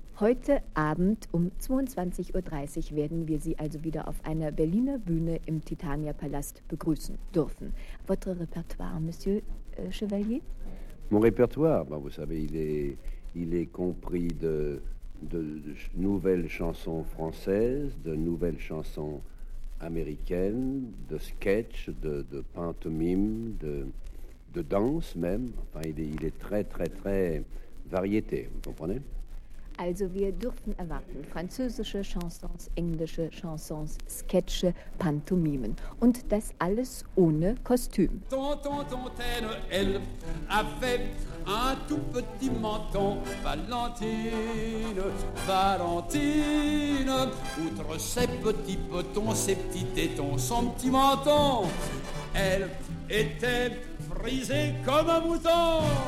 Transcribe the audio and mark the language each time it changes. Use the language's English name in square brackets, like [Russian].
[German] Heute Abend um 22.30 Uhr werden wir Sie also wieder auf einer Berliner Bühne im Titania-Palast begrüßen dürfen. [French] Votre Repertoire, Monsieur Chevalier? Mon Repertoire, ben, vous savez, il est compris de nouvelles chansons françaises, de nouvelles chansons américaines, de sketchs, de pantomimes, de danse même. Enfin, il est très, très, très variété, vous comprenez? [German] Also wir dürfen erwarten französische Chansons, englische Chansons, Sketche, Pantomimen. Und das alles ohne Kostüm. [French] Tonton, tontaine, elle avait un tout petit menton. Valentine, Valentine, outre ses petits petons, ses petits tétons, son petit menton, elle était frisée comme un mouton.